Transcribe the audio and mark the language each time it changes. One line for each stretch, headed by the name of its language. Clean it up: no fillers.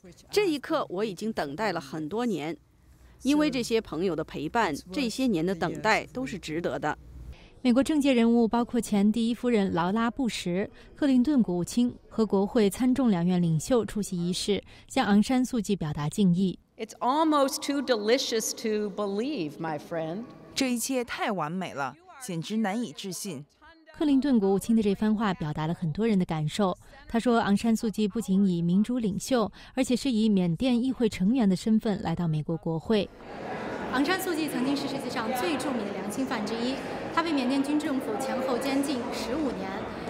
Chinese: 这一刻我已经等待了很多年，因为这些朋友的陪伴，这些年的等待都是值得的。美国政界人物包括前第一夫人劳拉·布什、克林顿国务卿和国会参众两院领袖出席仪式，向昂山素季表达敬意。
English: It's almost too delicious to believe, my friend.
Chinese: 这一切太完美了，简直难以置信。克林顿国务卿的这番话表达了很多人的感受。他说，昂山素季不仅以民主领袖，而且是以缅甸议会成员的身份来到美国国会。昂山素季曾经是世界上最著名的良心犯之一，他被缅甸军政府前后监禁15年。